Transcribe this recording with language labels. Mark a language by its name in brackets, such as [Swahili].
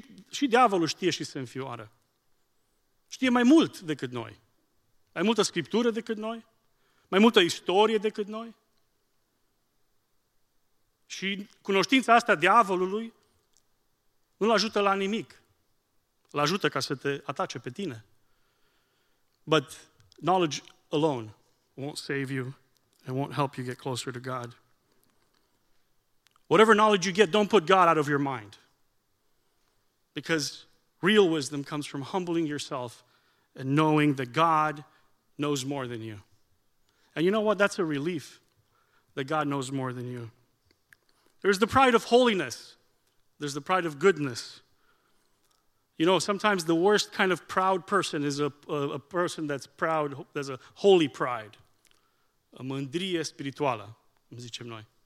[Romanian] Și diavolul știe și se înfioară. Știe mai mult decât noi. Mai multă scriptură decât noi. Mai multă istorie decât noi. Și cunoștința asta diavolului nu-l ajută la nimic. Îl ajută ca să te atace pe tine. [English] But knowledge alone won't save you and won't help you get closer to God. Whatever knowledge you get, don't put God out of your mind. Because real wisdom comes from humbling yourself and knowing that God knows more than you. And you know what? That's a relief that God knows more than you. There's the pride of holiness. There's the pride of goodness. You know, sometimes the worst kind of proud person is a person that's proud, that's a holy pride. [Romanian] A mândrie spirituală, zicem noi.